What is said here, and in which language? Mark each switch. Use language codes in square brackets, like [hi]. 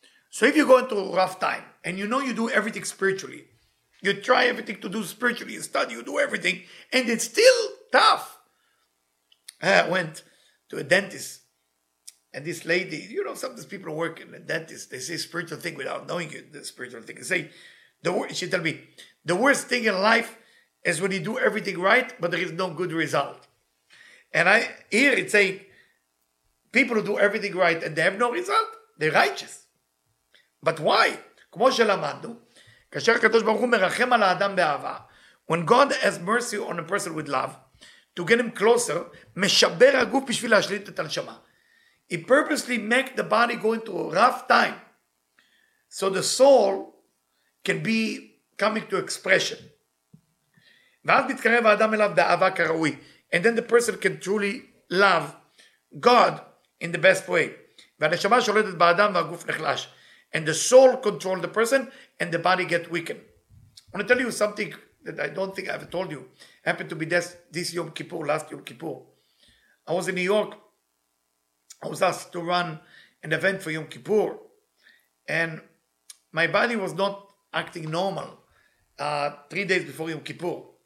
[en] So if you go into a rough time, and you know you do everything spiritually, you try everything to do spiritually, you study, you do everything, and it's still tough. I went to a dentist, and this lady, you know, sometimes people work in a dentist, they say spiritual thing without knowing it, the spiritual thing. She tell me, the worst thing in life is when you do everything right, but there is no good result. And I hear it say, people who do everything right and they have no result, they're righteous. But why? [he] כמו שלמדנו, כאשר הקדוש ברוך הוא מרחם על האדם באהבה, [en] when God has mercy on a person with love, [he] to get him closer, משבר הגוף בשביל להשליט את הנשמה. [en] He purposely make the body go into a rough time so the soul can be coming to expression. [he] ואז מתקרב האדם אליו באהבה כראוי. [en] And then the person can truly love God in the best way. [he] והנשמה שולטת באדם והגוף נחלש. [en] And the soul controls the person and the body gets weakened. I want to tell you something that I don't think I've told you. Happened to be this Yom Kippur, last Yom Kippur. I was in New York. I was asked to run an event for Yom Kippur. And my body was not acting normal 3 days before Yom Kippur.